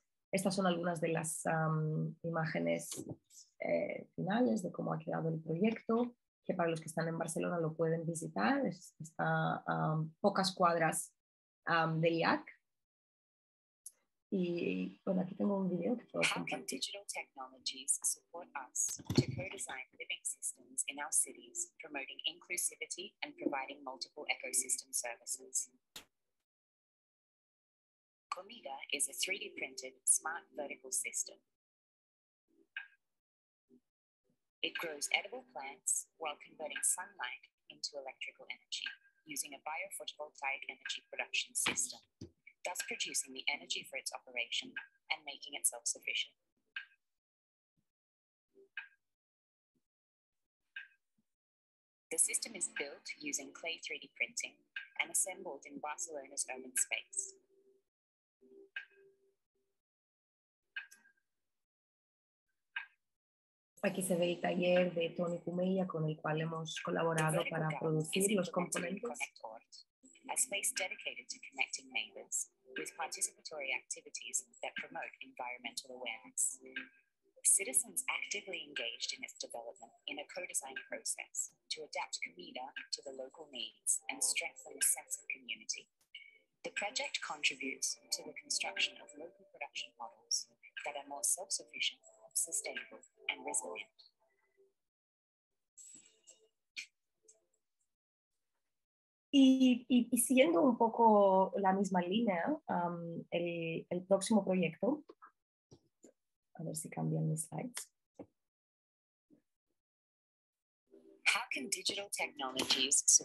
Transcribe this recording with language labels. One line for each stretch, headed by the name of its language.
Spanish: Estas son algunas de las imágenes finales de cómo ha quedado el proyecto, que para los que están en Barcelona lo pueden visitar. Está a pocas cuadras del IAC. Y bueno, aquí tengo un video que puedo compartir.
English: Digital technologies support us to co-design living systems in our cities, promoting inclusivity and providing multiple ecosystem services. Comida is a 3D printed smart vertical system. It grows edible plants while converting sunlight into electrical energy using a biophotovoltaic energy production system, thus producing the energy for its operation and making it self-sufficient. The system is built using clay 3D printing and assembled in Barcelona's urban space.
Spanish: Aquí se ve el taller de Toni Cumella con el cual hemos colaborado para producir los componentes.
English: A space dedicated to connecting neighbors with participatory activities that promote environmental awareness. Citizens actively engaged in its development in a co-design process to adapt Comida to the local needs and strengthen the sense of community. The project contributes to the construction of local production models that are more self-sufficient, sustainable, and resilient.
Spanish: Y siguiendo un poco la misma línea, el próximo proyecto, a ver si cambian mis slides.
English: can digital technologies